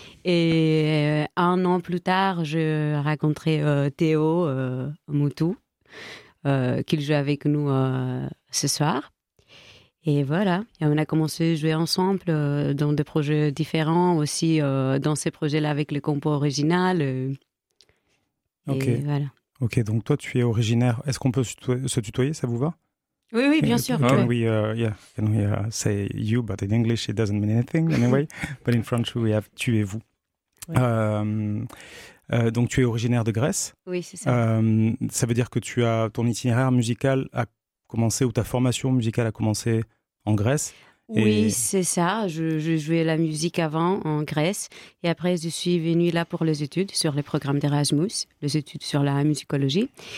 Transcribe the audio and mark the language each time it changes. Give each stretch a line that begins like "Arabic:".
French: Et un an plus tard, j'ai rencontré Théo Moutou, qu'il joue avec nous ce soir. Et voilà, et on a commencé à jouer ensemble dans des projets différents, aussi dans ces projets-là avec le compo original. Ok, donc toi tu es originaire, est-ce qu'on peut se tutoyer, ça vous va? Oui, bien sûr.
English: Can we say you, but in English it doesn't mean anything anyway, but in French we have
French: tu et vous. Oui. Donc tu es originaire de Grèce. Oui, c'est ça. Ça veut dire que ton itinéraire musical a commencé, ou ta formation musicale a commencé en Grèce? Oui, c'est ça. Je jouais la musique avant en Grèce. Et après, je suis venue là pour les études sur les programmes d'Erasmus, les études sur la musicologie.